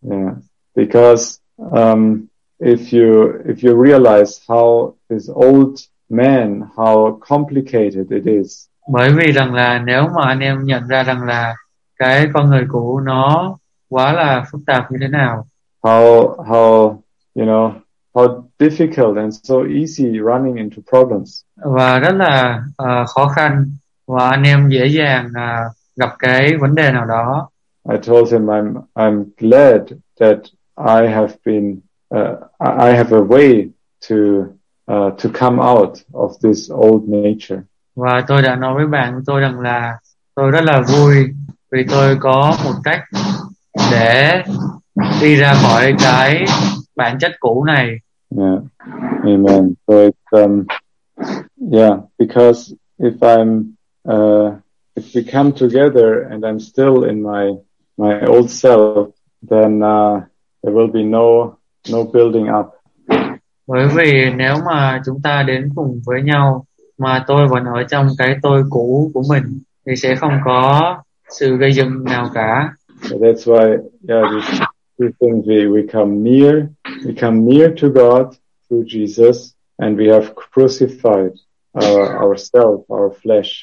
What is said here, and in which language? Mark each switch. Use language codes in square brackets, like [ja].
[en] Yeah. Because if you realize how this old man, how complicated it is. [vi] Bởi vì rằng là nếu mà anh em nhận ra rằng là cái con người cũ nó quá là phức tạp như thế nào. [en] How difficult and so easy running into problems. [vi] Và rất là khó khăn và anh em dễ dàng gặp cái vấn đề nào đó. [en] I told him I'm glad that I have been I have a way to come out of this old nature. [vi] Và tôi đã nói với bạn tôi rằng là tôi rất là vui vì tôi có một cách để đi ra khỏi cái bản chất cũ này. [en] Yeah. Amen. So it's yeah, because if I'm if we come together and I'm still in my old self, then there will be no building up. [vi] Bởi vì nếu mà chúng ta đến cùng với nhau mà tôi vẫn ở trong cái tôi cũ của mình thì sẽ không có sự gây dựng nào cả. [en] So that's why, yeah, these things we come near to God through Jesus, and we have crucified ourselves, our flesh.